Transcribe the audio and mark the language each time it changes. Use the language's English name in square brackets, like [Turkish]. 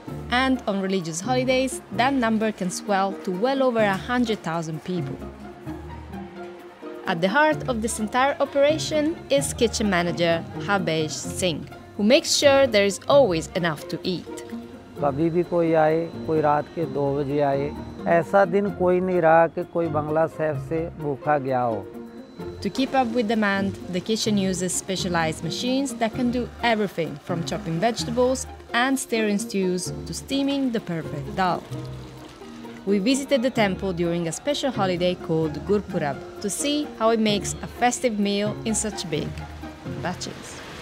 [English] And on religious holidays, that number can swell to well over 100,000 people. At the heart of this entire operation is kitchen manager Habesh Singh, who makes sure there is always enough to eat. [Hindi] कभी भी कोई आए, कोई रात के 2 बजे आए, ऐसा दिन कोई नहीं रहा कि कोई बंगला सेफ से भूखा गया हो. [English] To keep up with demand, the kitchen uses specialized machines that can do everything from chopping vegetables and stirring stews to steaming the perfect dal. We visited the temple during a special holiday called Gurpurab to see how it makes a festive meal in such big batches.